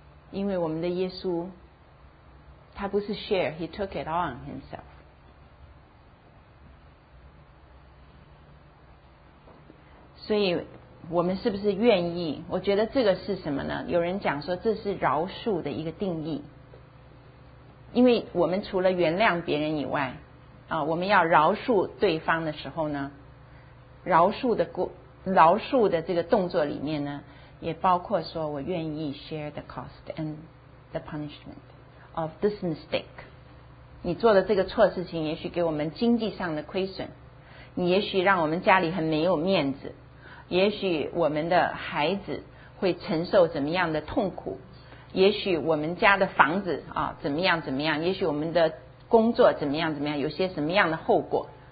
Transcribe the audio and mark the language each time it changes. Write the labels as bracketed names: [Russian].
[Chinese] 因为我们的耶稣他不是 [English] share, he took it on himself. [Chinese] 所以我们是不是愿意，我觉得这个是什么呢，有人讲说这是饶恕的一个定义，因为我们除了原谅别人以外啊，我们要饶恕对方的时候呢，饶恕的这个动作里面呢，也包括说我愿意 [English] share the cost and the punishment of this mistake. [Chinese] 你做的这个错事情也许给我们经济上的亏损，你也许让我们家里很没有面子，也许我们的孩子会承受怎么样的痛苦，也许我们家的房子啊怎么样怎么样，也许我们的工作怎么样怎么样，有些什么样的后果。